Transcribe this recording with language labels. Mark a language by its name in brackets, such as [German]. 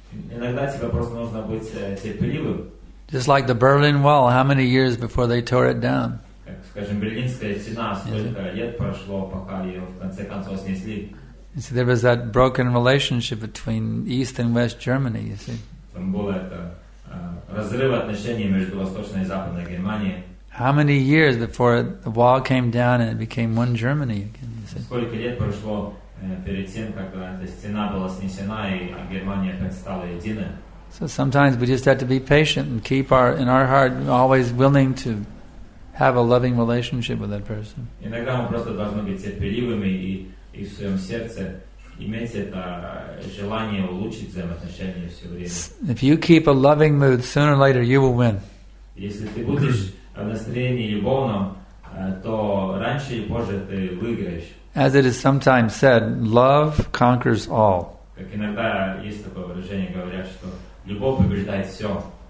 [Russian] Иногда тебе просто нужно быть терпеливым. [English] Just like the Berlin Wall, how many years before they tore it down? [Russian] Как, скажем, Берлинская стена, сколько лет прошло, пока ее в конце концов снесли? [English] You see, there was that broken relationship between East and West Germany, you see. [Russian] Там было это разрыв отношений между Восточной и Западной Германией. [English] How many years before the wall came down and it became one Germany again, you see? [Russian] Сколько лет прошло перед тем, как эта стена была снесена и Германия опять стала единой. [English] So sometimes we just have to be patient and keep in our heart always willing to have a loving relationship with that person. [Russian] Иногда мы просто должны быть терпеливыми и в своем сердце иметь это желание улучшить взаимоотношения все время. [English] If you keep a loving mood, sooner or later you will win. [Russian] Если ты будешь в настроении любовном, то раньше или позже ты выиграешь. [English] As it is sometimes said, love conquers all. [Russian] Как иногда есть такое выражение, говорят, что любовь побеждает все.